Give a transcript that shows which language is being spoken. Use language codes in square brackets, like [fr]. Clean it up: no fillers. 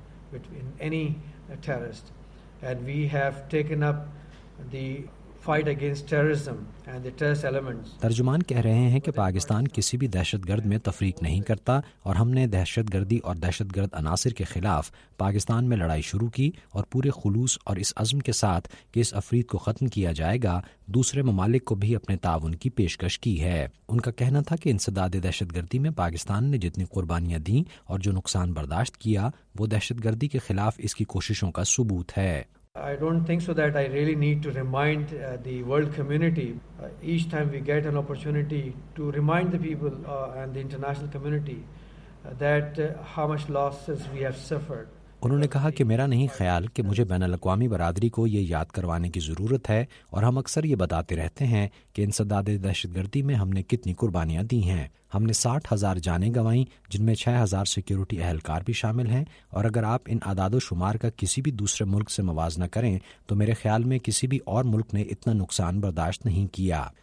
[en] Between any terrorist, and we have taken up the fight against terrorism and the terrorist elements. [ur] ترجمان کہہ رہے ہیں کہ پاکستان کسی بھی دہشت گرد میں تفریق نہیں کرتا، اور ہم نے دہشت گردی اور دہشت گرد عناصر کے خلاف پاکستان میں لڑائی شروع کی، اور پورے خلوص اور اس عزم کے ساتھ کہ اس افریق کو ختم کیا جائے گا، دوسرے ممالک کو بھی اپنے تعاون کی پیشکش کی ہے. ان کا کہنا تھا کہ انسداد دہشت گردی میں پاکستان نے جتنی قربانیاں دیں اور جو نقصان برداشت کیا، وہ دہشت گردی کے خلاف اس کی کوششوں کا ثبوت ہے. [en] I don't think so that I really need to remind the world community. Each time we get an opportunity to remind the people and the international community that how much losses we have suffered. [ur] انہوں نے کہا کہ میرا نہیں خیال کہ مجھے بین الاقوامی برادری کو یہ یاد کروانے کی ضرورت ہے، اور ہم اکثر یہ بتاتے رہتے ہیں کہ انسداد دہشت گردی میں ہم نے کتنی قربانیاں دی ہیں. ہم نے 60,000 جانیں گنوائیں، جن میں 6,000 سیکیورٹی اہلکار بھی شامل ہیں، اور اگر آپ ان اعداد و شمار کا کسی بھی دوسرے ملک سے موازنہ کریں تو میرے خیال میں کسی بھی اور ملک نے اتنا نقصان برداشت نہیں کیا.